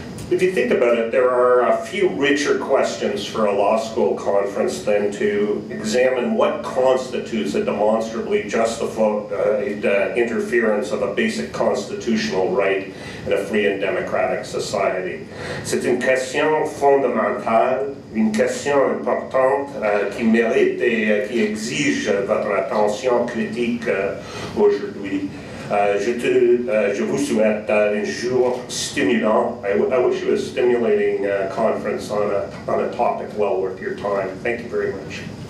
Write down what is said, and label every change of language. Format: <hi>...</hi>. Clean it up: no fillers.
<en>If you think about it, there are a few richer questions for a law school conference than to examine what constitutes a demonstrably justified interference of a basic constitutional right in a free and democratic society.</en> <fr>C'est une question fondamentale, une question importante qui mérite et qui exige votre attention critique aujourd'hui. Je vous souhaite un jour stimulant.</fr> <en>I wish you a stimulating conference on a topic well worth your time. Thank you very much.</en>